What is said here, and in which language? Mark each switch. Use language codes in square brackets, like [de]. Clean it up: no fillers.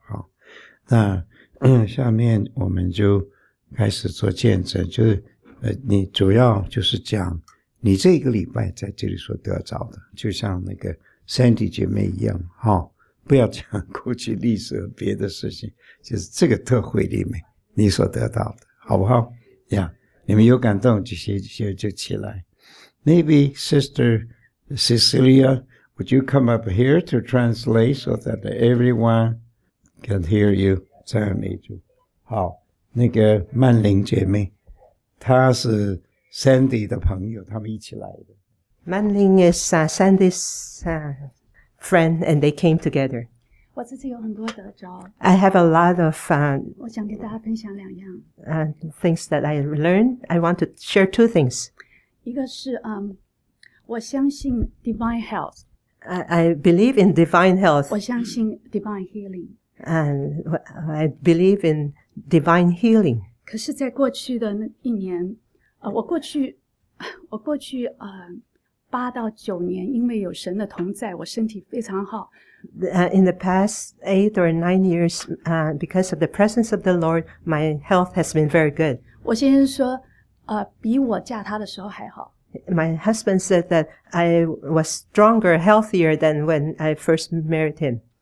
[zh] 好，那下面我们就开始做见证，就是你主要就是讲你这个礼拜在这里所得着的，就像那个 Sandy 姐妹一样，不要讲过去历史和别的事情，就是这个特会里面你所得到的，好不好呀？ Yeah, 你们有感动就写就起来。 [en] Maybe Sister Cecilia, would you come up here to translate so that everyone can hear you? [zh] 赞美主。好，那个曼玲姐妹，她是 Sandy 的朋友，他们一起来的。 [en] Manling is Sandy's friend, and they came together. [zh] 我这次有很多得着。 [en] I have a lot of [zh] 我想给大家分享两样。 [en] Things that I learned, I want to share two things. [zh] 一个是我相信 divine health. [en] I believe in divine health. [zh] 我相信 divine healing. [en] And I believe in divine healing. [zh] 可是在过去的那一年我过去八到九年，因为有神的同在，我身体非常好。 [en] In the past 8 or 9 years, because of the presence of the Lord, my health has been very good. [zh] 我先生说，比我嫁他的时候还好。 [en] My husband said that I was stronger, healthier than when I first married him.